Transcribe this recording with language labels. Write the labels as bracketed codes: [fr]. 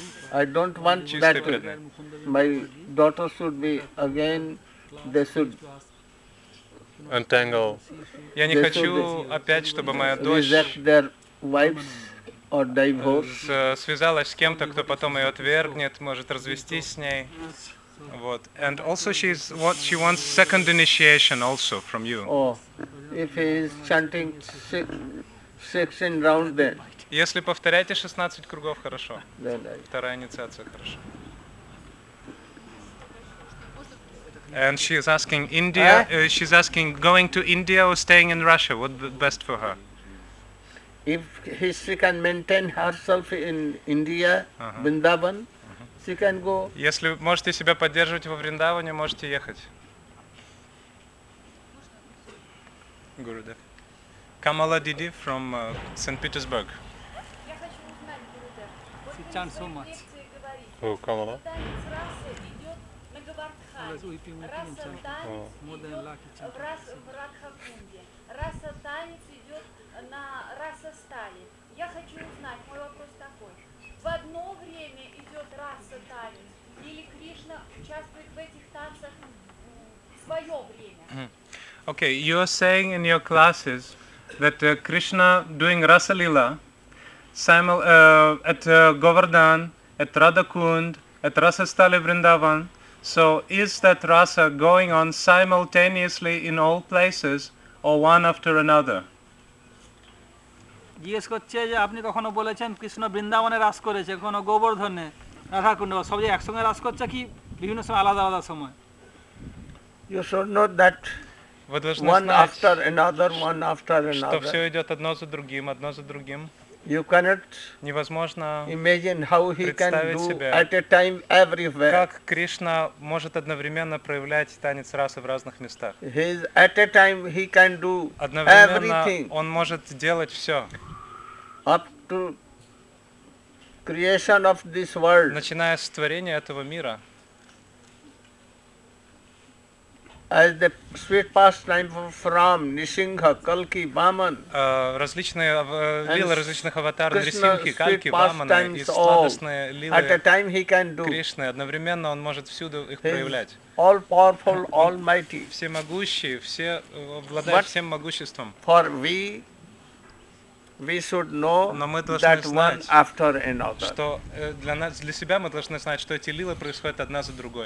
[en] I don't want that. My daughter should be again. They should entangle. [ru] Я не хочу опять, чтобы моя дочь [en] reject their wives or divorce. [ru] Связалась с кем-то, кто потом ее отвергнет, может развестись с ней. [en] What? And also she wants second initiation also from you. Oh, if he is chanting 16 rounds then. [ru] Если повторяете 16 кругов, хорошо. Вторая инициация, хорошо. [en] And she is asking India, she's asking going to India or staying in Russia, what best for her? If she can maintain herself in India, Vrindavan, she can go. [ru] Если можете себя поддерживать во Вриндаване, можете ехать. Гурудев. Камала Диди [en] from St. Petersburg. [ru] Я хочу узнать, Гурудев, вот вы в лекции говорите, раса идет на Гавардхане, раса танец идет в Радхакунде, раса танец идет на раса стали. Я хочу узнать, мой вопрос такой. В одно время идет раса танец, или Кришна участвует в этих танцах в свое время? [en] Okay, you are saying in your classes that Krishna doing Rasa Lila at Govardhan, at Radhakund, at Rasa Stali Vrindavan. So is that Rasa going on simultaneously in all places or one after another? [bn] জিজ্ঞেস করছে যে আপনি কখনো বলেছেন কৃষ্ণ বৃন্দাবনে রাস করেছে, কখনো গোবর্ধনে, রাধাকুণ্ড, সব যে একসঙ্গে রাস করছে কি বিভিন্ন সময় আলাদা আলাদা সময়? [en] You should know that one after another, one after another. [ru] Что все идет одно за другим, одно за другим. [en] You cannot [ru] невозможно [en] imagine how he can do at a time everywhere. [ru] Как Кришна может одновременно проявлять танец расы в разных местах? [en] He is at a time he can do everything. [ru] Он может делать все. [en] Up to creation of this world. [ru] Начиная с творения этого мира. [en] As the sweet pastime from Nrisimha, Kalki, Vaman. [ru] Различные лилы различных аватаров Нрисимхи, Калки, Вамана, и сладостные лилы [en] at a time he can do. [ru] Кришны. Одновременно он может всюду их проявлять. [en] All powerful, almighty. [ru] Всемогущий, все обладает всем могуществом. [en] For we should know that one after another. [ru] Что для нас, для себя мы должны знать, что эти лилы происходят одна за другой.